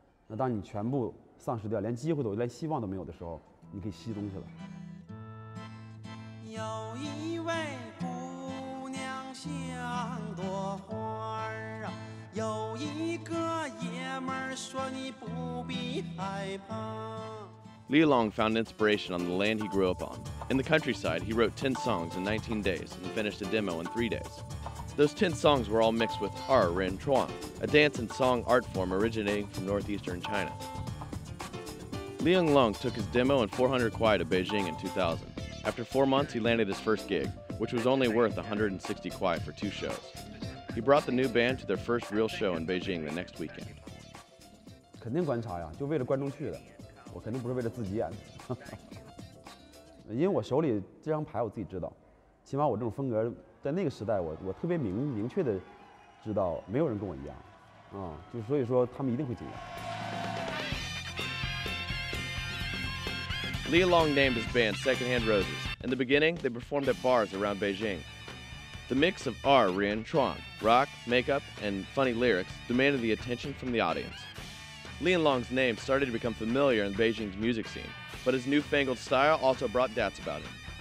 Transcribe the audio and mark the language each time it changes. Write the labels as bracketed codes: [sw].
[zh] 那当你全部丧失掉，连机会都连希望都没有的时候，你可以吸东西了。有一位姑娘像朵花儿啊，有一个爷们儿说你不必害怕。 [en] Liang Long found inspiration on the land he grew up on. In the countryside, he wrote 10 songs in 19 days and finished a demo in 3 days. Those 10 songs were all mixed with Er Ren Chuan, a dance and song art form originating from northeastern China. Liang Long took his demo and 400 kwai to Beijing in 2000. After 4 months, he landed his first gig, which was only worth 160 kwai for 2 shows. He brought the new band to their first real show in Beijing the next weekend. [zh] 肯定观察呀，就为了观众去的。我肯定不是为了自己演的，因为我手里这张牌我自己知道，起码我这种风格在那个时代我特别明确的知道没有人跟我一样，就所以说他们一定会惊讶。 [en] Liang Long named his band Secondhand Roses. In the beginning, they performed at bars around Beijing. The mix of R, Ren, Chuan, rock, makeup, and funny lyrics demanded the attention from the audience. Liang Long's name started to become familiar in Beijing's music scene, but his newfangled style also brought doubts about him.